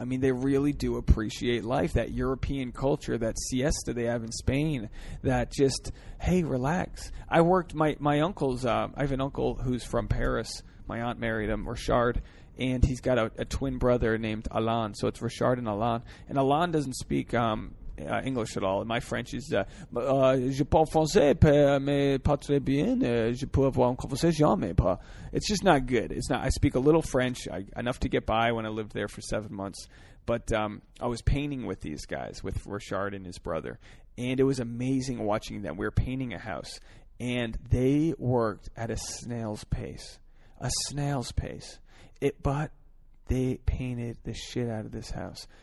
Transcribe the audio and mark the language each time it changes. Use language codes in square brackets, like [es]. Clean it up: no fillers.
[en] I mean, they really do appreciate life. That European culture, that siesta they have in Spain, that just, hey, relax. I worked my uncle's, I have an uncle who's from Paris. My aunt married him, Richard, and he's got a twin brother named Alain. So it's Richard and Alain. And Alain doesn't speak English at all. My French is, [fr] je parle français, mais pas très bien. Je peux avoir une conversation, mais pas. [en] It's just not good. It's not. I speak a little French, enough to get by when I lived there for 7 months. But I was painting with these guys, with Richard and his brother. And it was amazing watching them. We were painting a house. And they worked at a snail's pace. A snail's pace. But they painted the shit out of this house.